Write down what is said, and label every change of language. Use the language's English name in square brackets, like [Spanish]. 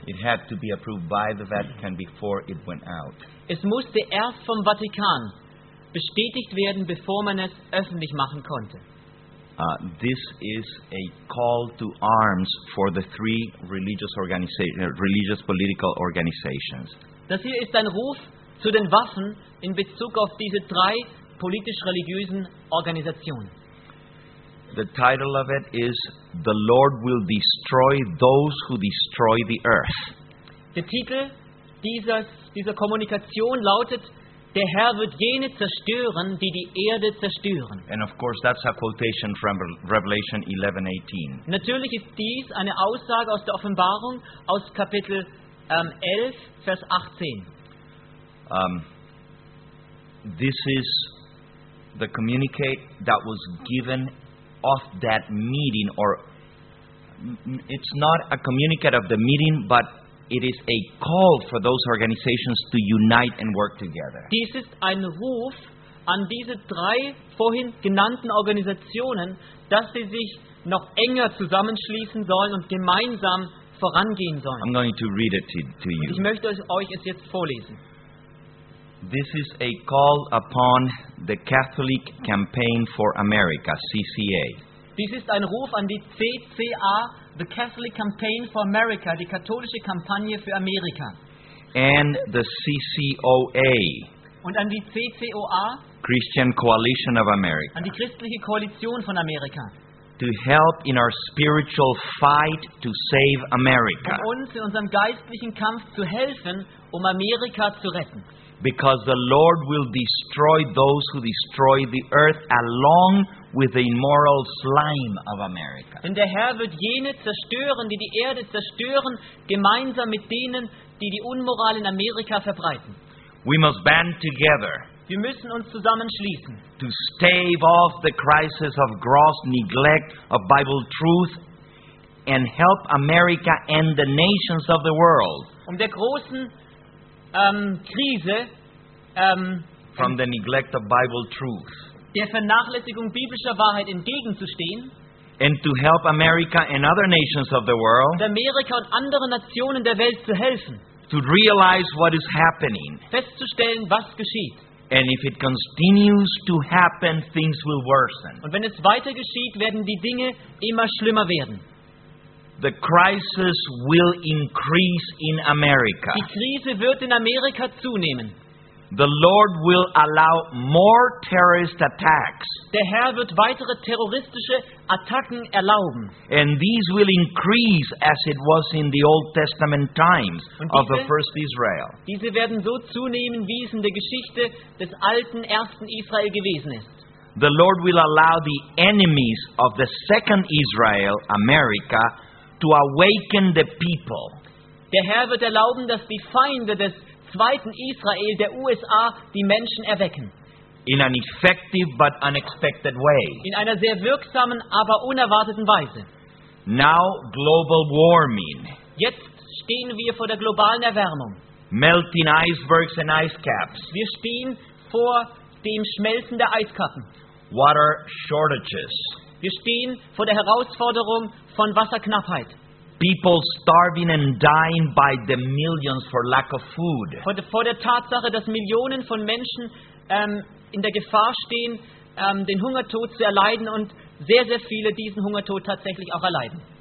[English] It had to be approved by the Vatican before it went out. [German] Es musste erst vom Vatikan bestätigt werden, bevor man es öffentlich machen konnte. [English] This is a call to arms for the three religious organizations, religious political organizations. [German] Das hier ist ein Ruf zu den Waffen in Bezug auf diese drei politisch-religiösen Organisationen. [English] The title of it is "The Lord will destroy those who destroy the earth." [German] Der Titel dieser Kommunikation lautet: Der Herr wird jene zerstören, die die Erde zerstören. [English] And of course, that's a quotation from Revelation 11:18. [German] Natürlich ist dies eine Aussage aus der Offenbarung aus Kapitel 11, Vers 18. [English] This is the communique that was given of that meeting, or it's not a communicate of the meeting, but it is a call for those organizations to unite and work together. [German] Dies ist ein Ruf an diese drei vorhin genannten Organisationen, dass sie sich noch enger zusammenschließen sollen und gemeinsam vorangehen sollen. [English] I'm going to read it to you. [German] Ich möchte euch es jetzt vorlesen. [English] This is a call upon the Catholic Campaign for America, CCA. [German] Dies ist ein Ruf an die CCA, the Catholic Campaign for America, die katholische Kampagne für Amerika. [English] And the CCOA. [German] Und an die CCOA, [English] Christian Coalition of America. [German] An die christliche Koalition von Amerika. [English] To help in our spiritual fight to save America. [German] Um uns in unserem geistlichen Kampf zu helfen, um Amerika zu retten. [English] Because the Lord will destroy those who destroy the earth along with the immoral slime of America. [German] Denn der Herr wird jene zerstören, die die Erde zerstören, gemeinsam mit denen, die die Unmoral in Amerika verbreiten. [English] We must band together. [German] Wir müssen uns zusammenschließen. [English] To stave off the crisis of gross neglect of Bible truth and help America and the nations of the world. [German] Um der großen Krise [English] from the neglect of Bible truth, [German] der Vernachlässigung biblischer Wahrheit entgegenzustehen, [English] and to help America and other nations of the world, [German] Amerika und andere Nationen der Welt zu helfen, [English] to realize what is happening, [German] festzustellen, was geschieht, [English] and if it continues to happen, things will worsen. [German] Und wenn es weiter geschieht, werden die Dinge immer schlimmer werden. [English] The crisis will increase in America. [German] Die Krise wird in Amerika zunehmen. [English] The Lord will allow more terrorist attacks. [German] Der Herr wird weitere terroristische Attacken erlauben. [English] And these will increase as it was in the Old Testament times of the first Israel. [German] Diese werden so zunehmen, wie es in der Geschichte des alten ersten Israel gewesen ist. [English] The Lord will allow the enemies of the second Israel, America, to awaken the people. [German] Der Herr wird erlauben, dass die Feinde des zweiten Israel, der USA, die Menschen erwecken. [English] In an effective but unexpected way. [German] In einer sehr wirksamen, aber unerwarteten Weise. [English] Now global warming. [German] Jetzt stehen wir vor der globalen Erwärmung. [English] Melting icebergs and ice caps. [German] Wir stehen vor dem Schmelzen der Eiskappen. [English] Water shortages. [German] Wir stehen vor der Herausforderung von Wasserknappheit. [English] People starving and dying by the millions for lack of food. [German] Vor der Tatsache, dass Millionen von Menschen in der Gefahr stehen, den Hungertod zu erleiden und sehr, sehr viele diesen Hungertod tatsächlich auch erleiden.